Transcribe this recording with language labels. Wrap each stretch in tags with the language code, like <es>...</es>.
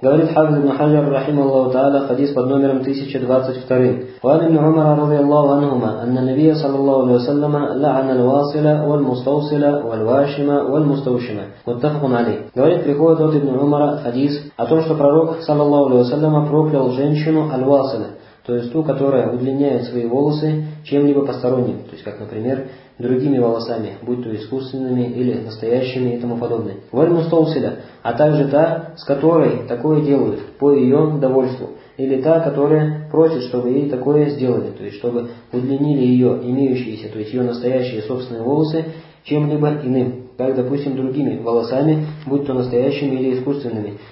<ru>Говорит Хафиз ибн Хаджар, рахималлаху та'аля, хадис под номером 1022.</ru> <ar>وعن ابن عمر رضي الله عنهما, أن النبي صلى الله عليه وسلم لعن الواصلة والمستوصلة والواشمة والمستوشمة. متفق عليه.</ar> <ru>Говорит, приходит от ابن عمر хадис о том, что пророк صلى الله عليه وسلم проклял женщину الواصلة, то есть ту, которая удлиняет свои волосы чем-либо посторонним, то есть как, например, другими волосами, будь то искусственными или настоящими и тому подобное. Вальмустоусида, а также та, с которой такое делают, по ее довольству, или та, которая просит, чтобы ей такое сделали, то есть чтобы удлинили ее имеющиеся, то есть ее настоящие собственные волосы, чем-либо иным, как, допустим, другими волосами, будь то настоящими или искусственными.</ru>